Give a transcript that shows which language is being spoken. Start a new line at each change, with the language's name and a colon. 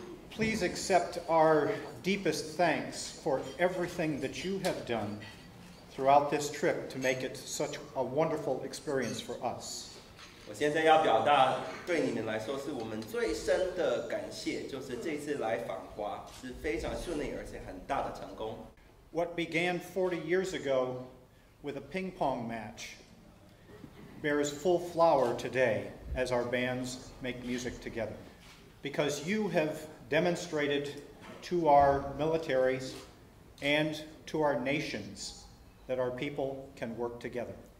English: Please accept our deepest thanks for everything that you have done throughout this trip to make it such a wonderful experience for us.
Chinese: 我现在要表达对你们来说是我们最深的感谢，就是这次来访华是非常顺利而且很大的成功。
English: What began 40 years ago with a ping pong match bears full flower today as our bands make music together. Because you have demonstrated to our militaries and to our nations that our people can work together.